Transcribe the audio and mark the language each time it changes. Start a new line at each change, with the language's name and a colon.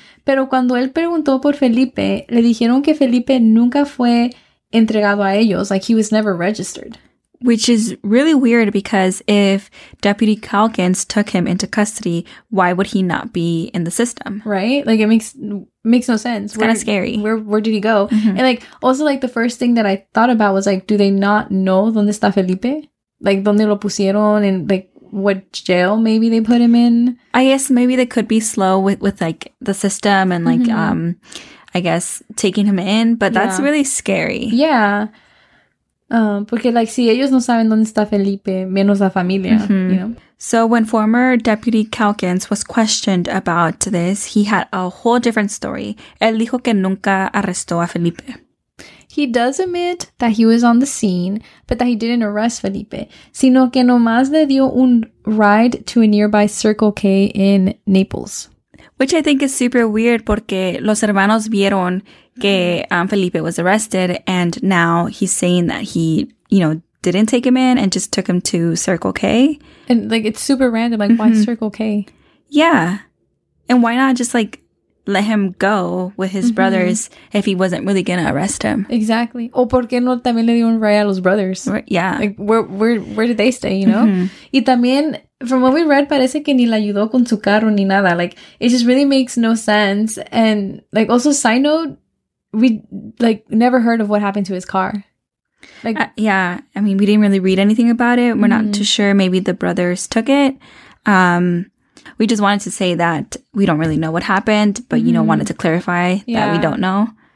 Spanish: Pero cuando él preguntó por Felipe, le dijeron que Felipe nunca fue entregado a ellos.
English: Like, he was never registered. Which is really weird because if Deputy Calkins took him into custody, why would he not be in the system? Right? Like, it makes no sense. It's kind of scary. Where did he go? Mm-hmm. And, like, also, like, the first thing that I thought about was, like, do they not know
Spanish: dónde está Felipe?
English: Like,
Spanish: dónde lo pusieron
English: and, like, what jail maybe they put him in? I guess maybe they could be slow with like the system and like I guess taking him in, but that's really scary.
Spanish: Yeah. Porque like si ellos no saben dónde está Felipe, menos la familia, you know.
English: So when former Deputy Calkins was questioned about this, he had a whole different story.
Spanish: Él dijo que nunca arrestó a Felipe.
English: He does admit that he was on the scene, but that he didn't arrest Felipe,
Spanish: sino que nomás le dio un ride
English: to a nearby Circle K in Naples. Which I think is super weird
Spanish: porque los hermanos vieron que Felipe
English: was arrested and now he's saying that he, you know, didn't take him in and just took him to Circle K. And like, it's super random. Like, why Circle K? Yeah. And why not just like let him go with his brothers if he wasn't really gonna arrest him? Exactly.
Spanish: O por qué no también le dio un ride a los brothers?
English: Yeah. Like, where did they stay, you know?
Spanish: Y también,
English: from what we read,
Spanish: parece que ni le ayudó con su carro ni nada.
English: Like, it just really makes no sense. And, like, also, side note, we, like, never heard of what happened to his car. Like, I mean, we didn't really read anything about it. We're not too sure. Maybe the brothers took it. We just wanted to say that we don't really know what happened, but, you know, wanted to clarify that we don't know.